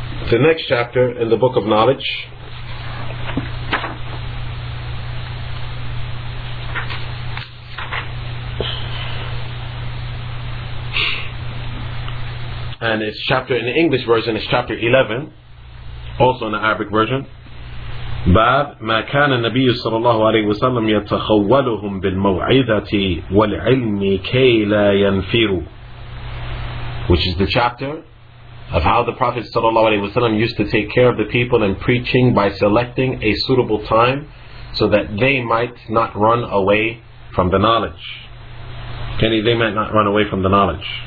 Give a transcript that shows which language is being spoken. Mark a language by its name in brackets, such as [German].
[English] The next chapter in the Book of Knowledge and its chapter in the English version is chapter 11, also in the Arabic version. [Arabic] باب ما كان النبي صلى الله عليه وسلم يتخولهم بالموعظة والعلم كي لا ينفروا. [English] Which is the chapter of how the Prophet صلى الله عليه وسلم used to take care of the people in preaching by selecting a suitable time so that they might not run away from the knowledge. They might not run away from the knowledge.